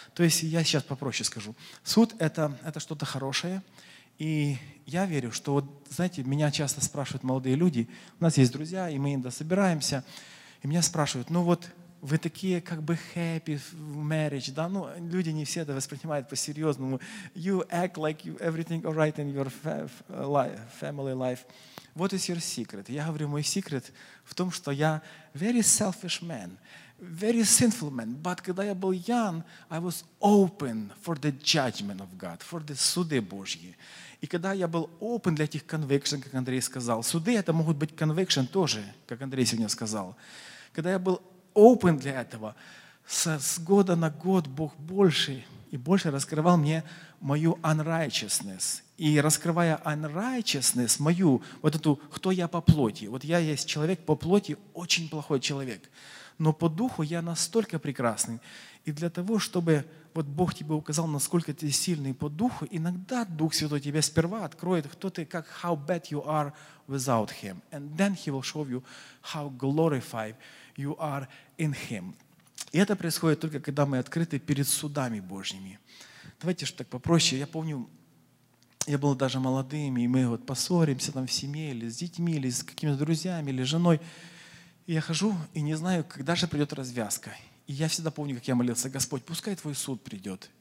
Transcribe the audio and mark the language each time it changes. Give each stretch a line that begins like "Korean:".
Russian: То есть я сейчас попроще скажу. Суд — это что-то хорошее. И я верю, что вот, знаете, меня часто спрашивают молодые люди. У нас есть друзья, и мы иногда собираемся. И меня спрашивают: ну вот, вы такие как бы
English: happy marriage,
Russian: да? Ну, люди не все это воспринимают по-серьезному.
English: You act like you, everything all right in your family life. What is your secret?
Russian: Я говорю, мой секрет в том, что я
English: very selfish man, very sinful man, but
Russian: когда я был
English: young, I was open for the judgment of God, for the
Russian: суды Божьи. И когда я был open для этих conviction, как Андрей сказал, суды — это могут быть conviction тоже, как Андрей сегодня сказал. Когда я был open для этого, с года на год Бог больше и больше раскрывал мне мою unrighteousness. И раскрывая unrighteousness, мою, вот эту, кто я по плоти. Вот я есть человек по плоти, очень плохой человек. Но по духу я настолько прекрасный. И для того, чтобы вот Бог тебе указал, насколько ты сильный по духу, иногда Дух Святой тебе сперва откроет, кто ты, как
English: how bad you are without Him. And then He will show you how glorified you are in Him.
Russian: И это происходит только, когда мы открыты перед судами Божьими. Давайте же так попроще. Я помню, я был даже молодым, и мы вот поссоримся там в семье, или с детьми, или с какими-то друзьями, или с женой. И я хожу и не знаю, когда же придет развязка. И я всегда помню, как я молился: Господь, пускай Твой суд придет.